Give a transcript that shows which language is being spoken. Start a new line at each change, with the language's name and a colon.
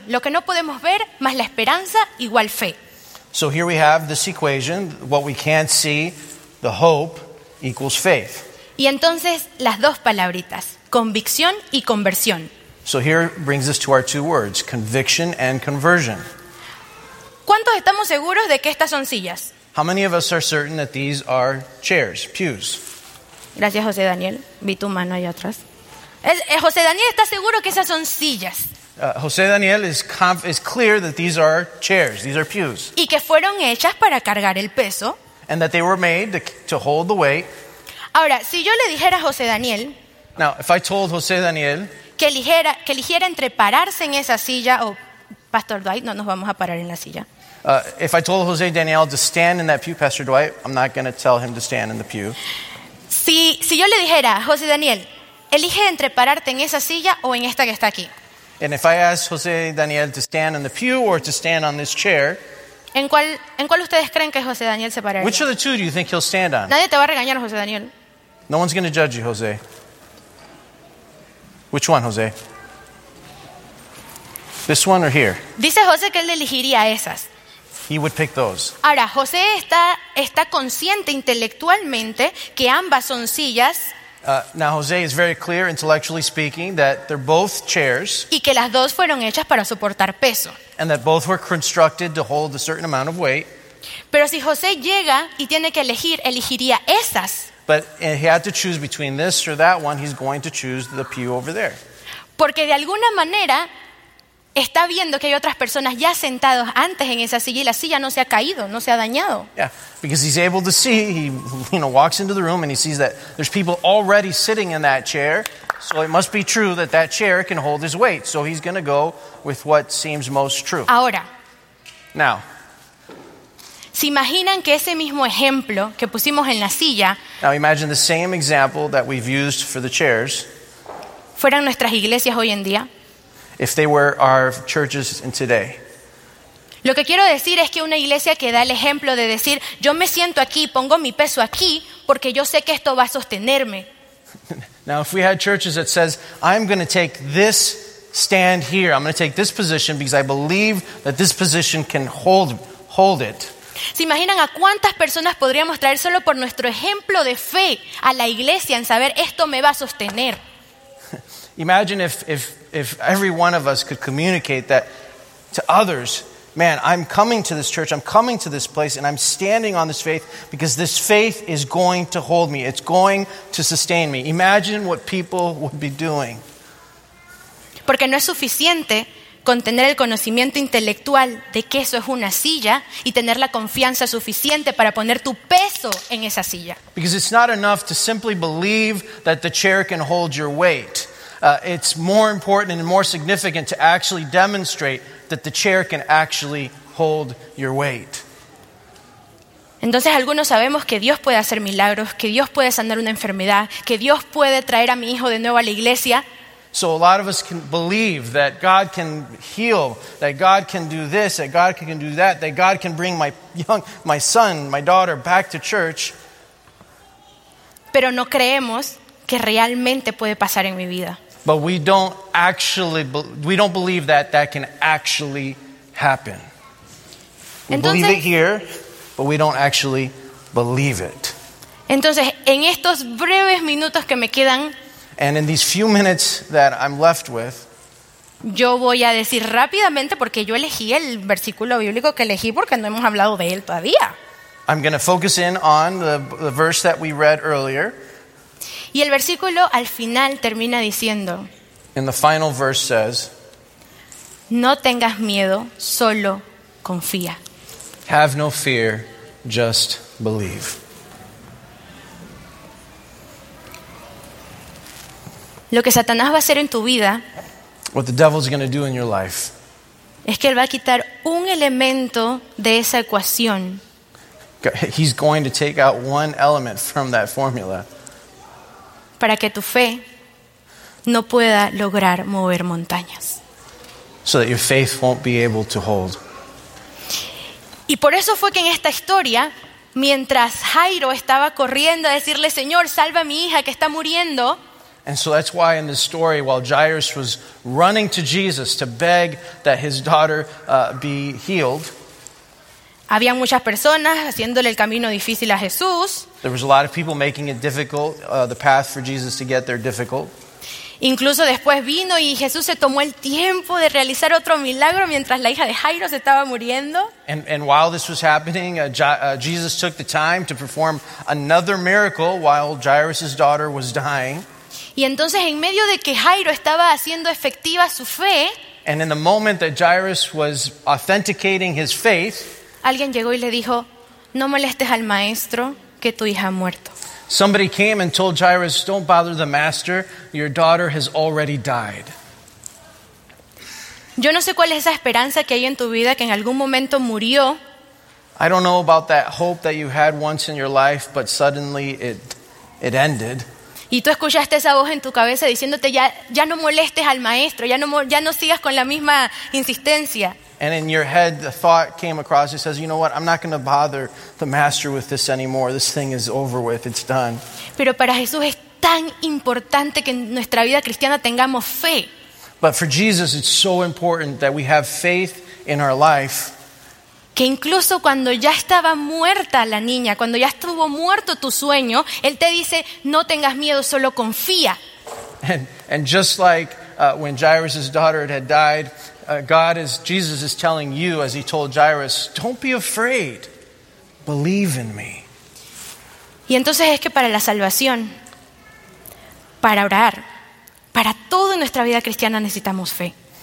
Spanish: Lo que no podemos ver más la esperanza igual fe.
English: So here we have this equation. What we can't see, the hope equals faith.
Spanish: Y entonces las dos palabritas, convicción y conversión.
English: So here brings us to our two words, conviction and conversion.
Spanish: ¿Cuántos estamos seguros de que estas son sillas?
English: How many of us are certain that these are chairs, pews?
Spanish: Gracias, José Daniel. Vi tu mano allá atrás. José Daniel está seguro que esas son sillas.
English: José Daniel is clear that these are chairs, these are pews.
Spanish: Y que fueron hechas para cargar el peso.
English: And that they were made to hold the weight.
Spanish: Ahora, si yo le dijera a José Daniel.
English: Now, if I told José Daniel.
Spanish: Que eligiera entre pararse en esa silla o. Pastor Dwight, no nos vamos a parar en la silla.
English: If I told José Daniel to stand in that pew, Pastor Dwight, I'm not going to tell him to stand in the pew.
Spanish: Si yo le dijera, José Daniel, elige entre pararte en esa silla o en esta que está aquí.
English: And if I ask Jose Daniel to stand in the pew or to stand on this chair,
Spanish: ¿En cuál ustedes creen que José Daniel se pararía?
English: Which of the two do you think he'll stand on?
Spanish: Nadie te va a regañar, José Daniel.
English: No one's going to judge you, Jose. Which one, Jose? This one or here?
Spanish: Dice José que él elegiría esas.
English: He would pick those.
Spanish: Ahora, José está consciente intelectualmente que ambas son sillas.
English: Now, Jose is very clear, intellectually speaking, that they're both chairs.
Spanish: Y que las dos fueron hechas para soportar peso.
English: And that both were constructed to hold a certain amount of weight.
Spanish: Pero si José llega y tiene que elegir, elegiría esas.
English: But if he had to choose between this or that one, he's going to choose the pew over there.
Spanish: Porque de alguna manera está viendo que hay otras personas ya sentadas antes en esa silla y la silla no se ha caído, no se ha dañado.
English: Yeah, because he's able to see, he walks into the room and he sees that there's people already sitting in that chair, so it must be true that that chair can hold his weight. So he's going to go with what seems most true.
Spanish: Ahora.
English: Now.
Spanish: ¿Se imaginan que ese mismo ejemplo que pusimos en la silla?
English: Now imagine the same example that we've used for the chairs.
Spanish: Fueran nuestras iglesias hoy en día.
English: If they were our churches in today.
Spanish: Lo que quiero decir es que una iglesia que da el ejemplo de decir, yo me siento aquí, pongo mi peso aquí, porque yo sé que esto va a sostenerme.
English: Now if we had churches that says, I'm going to take this stand here, I'm going to take this position because I believe that this position can hold it.
Spanish: ¿Se imaginan a cuántas personas podríamos traer solo por nuestro ejemplo de fe a la iglesia en saber esto me va a sostener?
English: Imagine if every one of us could communicate that to others, man, I'm coming to this church, I'm coming to this place, and I'm standing on this faith because this faith is going to hold me, it's going to sustain me. Imagine what people would be doing.
Spanish: Porque no es suficiente con tener el conocimiento intelectual de que eso es una silla y tener la confianza suficiente para poner tu peso en esa silla.
English: Because it's not enough to simply believe that the chair can hold your weight. It's more important and more significant to actually demonstrate that the chair can actually hold your weight.
Spanish: Entonces algunos sabemos que Dios puede hacer milagros, que Dios puede sanar una enfermedad, que Dios puede traer a mi hijo de nuevo a la iglesia.
English: So a lot of us can believe that God can heal, that God can do this, that God can do that, that God can bring my son, my daughter back to church.
Spanish: Pero no creemos que realmente puede pasar en mi vida.
English: But we don't believe that can actually happen. We believe it here, but we don't actually believe it.
Spanish: Entonces, en estos breves minutos que me quedan,
English: and in these few minutes that I'm left with,
Spanish: yo voy a decir rápidamente porque yo elegí el versículo bíblico que elegí porque no hemos hablado de él todavía.
English: I'm going to focus in on the verse that we read earlier.
Spanish: Y el versículo al final termina diciendo,
English: and the final verse says,
Spanish: no tengas miedo, solo confía.
English: Have no fear, just believe.
Spanish: Lo que Satanás va a hacer en tu vida,
English: what the devil's going to do in your life,
Spanish: es que él va a quitar un elemento de esa ecuación.
English: He's going to take out one element from that formula.
Spanish: Para que tu fe no pueda lograr mover montañas.
English: So that your faith won't be able to hold.
Spanish: Y por eso fue que en esta historia, mientras Jairo estaba corriendo a decirle, Señor, salva a mi hija que está muriendo.
English: And so that's why in this story, while Jairus was running to Jesus to beg that his daughter be healed,
Spanish: había muchas personas haciéndole el camino difícil a Jesús.
English: There was a lot of people making it difficult, the path for Jesus to get there difficult.
Spanish: Incluso después vino y Jesús se tomó el tiempo de realizar otro milagro mientras la hija de Jairo se estaba muriendo.
English: And while this was happening, Jesus took the time to perform another miracle while Jairus' daughter was dying.
Spanish: Y entonces en medio de que Jairo estaba haciendo efectiva su fe,
English: and in the moment that Jairus was authenticating his faith,
Spanish: alguien llegó y le dijo, no molestes al maestro, que tu hija ha muerto.
English: Somebody came and told Jairus, don't bother the master, your daughter has already died.
Spanish: Yo no sé cuál es esa esperanza que hay en tu vida que en algún momento murió.
English: I don't know about that hope that you had once in your life, but suddenly it ended.
Spanish: Y tú escuchaste esa voz en tu cabeza diciéndote ya no molestes al maestro, ya no sigas con la misma insistencia.
English: And in your head the thought came across, it says, you know what, I'm not going to bother the master with this anymore. This thing is over with, it's done.
Spanish: Pero para Jesús es tan importante que en nuestra vida cristiana tengamos fe.
English: But for Jesus it's so important that we have faith in our life.
Spanish: Que incluso cuando ya estaba muerta la niña, cuando ya estuvo muerto tu sueño, él te dice, no tengas miedo, solo confía.
English: And just like when Jairus' daughter had died, Jesus is telling you, as he told Jairus, don't be afraid, believe in me.
Spanish: Y entonces es que para la salvación, para orar, para todo en nuestra vida cristiana necesitamos fe.